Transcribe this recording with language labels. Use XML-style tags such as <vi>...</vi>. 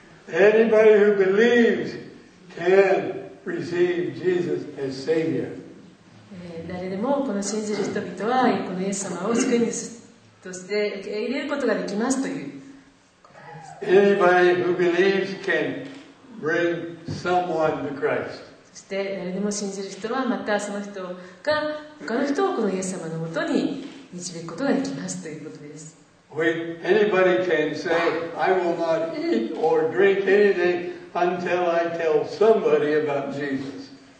<en>Anybody who believes can. Receive Jesus as Savior.</en> <ja>誰でもこの信じる人々はこのイエス様を救い主として受け入れることができますということです。</ja> <en>Anybody who believes can bring someone to Christ.</en> <ja>そして誰でも信じる人はまたその人が他の人をこのイエス様のもとに導くことができますということです。</ja> <en>When anybody can say, I will not eat or drink anything. Until I tell somebody about Jesus.</en>